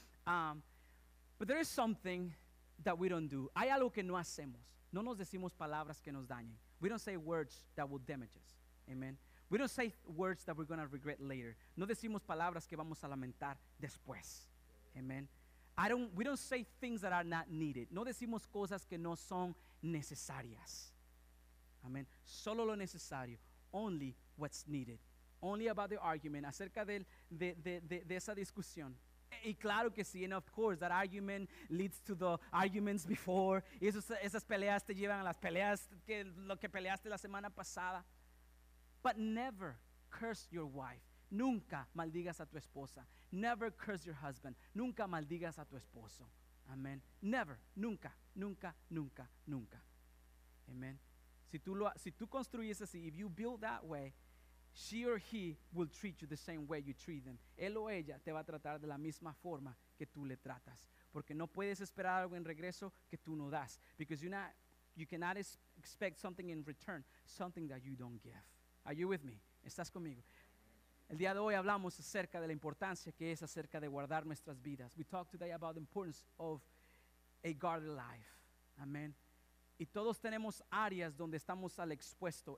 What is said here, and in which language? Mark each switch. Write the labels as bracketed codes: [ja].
[en] But there is something that we don't do. [es] Hay algo que no hacemos. No nos decimos palabras que nos dañen. [en] We don't say words that will damage us. Amen. We don't say words that we're going to regret later. [es] No decimos palabras que vamos a lamentar después. [en] Amen. We don't say things that are not needed. [es] No decimos cosas que no son necesarias. Amen. Solo lo necesario. [en] Only what's needed. Only about the argument. [es] Acerca de esa discusión. Y claro que sí, [en] and of course, that argument leads to the arguments before. [es] Y esas peleas te llevan a las peleas que lo que peleaste la semana pasada. [en] But never curse your wife. [es] Nunca maldigas a tu esposa. [en] Never curse your husband. [es] Nunca maldigas a tu esposo. Amén. [en] Never, [es] nunca, nunca, nunca, nunca. Amén. Si tú construyes así, [en] if you build that way, she or he will treat you the same way you treat them. [es] Él o ella te va a tratar de la misma forma que tú le tratas. Porque no puedes esperar algo en regreso que tú no das. [en] Because you cannot expect something in return, something that you don't give. Are you with me? [es] ¿Estás conmigo? El día de hoy hablamos acerca de la importancia que es acerca de guardar nuestras vidas. [en] We talk today about the importance of a guarded life. Amen. [es] Y todos tenemos áreas donde estamos al expuesto.